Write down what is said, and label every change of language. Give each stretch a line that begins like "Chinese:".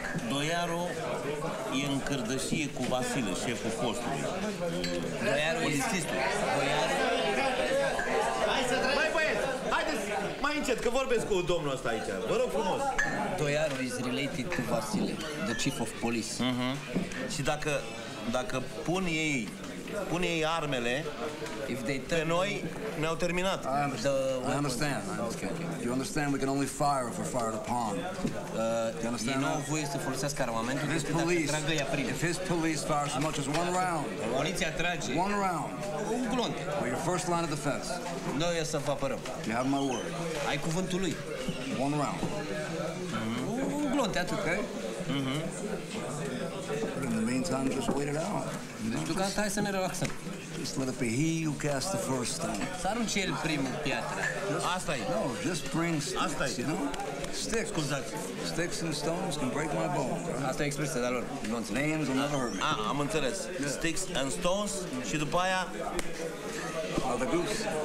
Romanian: Doiaru e în cârdășie cu Vasile, șeful postului. Doiaru insistă. Doiaru. Hai să trec. Mai băieți, haideți mai încet, că vorbesc cu domnul ăsta aici. Vă rog frumos.
English: Doiaru is related to Vasile, the chief of police.
Romanian: Mm-hmm. Și dacă pun ei armele,
English: if they turn,
Romanian: pe noi ne-au terminat.
English: I understand. You understand we can only fire if we're fired upon. You understand that?
Romanian: Ei nu au voie să folosească armamentul.
English: If his police fires as much as one round.
Romanian: Poliția trage.
English: One round.
Romanian: Un glonț.
English: We're your first line of defense.
Romanian: Noi o să vă apărăm.
English: You have my word.
Romanian: Ai cuvântul lui.
English: One round.
Romanian: Mm-hmm. Un glonț, atât,
English: okay? Mm-hmm. Time, just wait it out.
Romanian: Deci tu gata, hai să ne relaxăm.
English: Just let it be he who cast the first stone.
Romanian: Să arunce el primul piatra. Asta e.
English: No, just bring sticks, you know? Sticks.
Romanian: Scuzați.
English: Sticks and stones can break my bones.
Romanian: Asta e expresia de-a lor.
English: Names will never hurt me.
Romanian: Ah, am înțeles. Yeah.
English: Sticks and stones
Romanian: și după aia...
English: Mother Goose.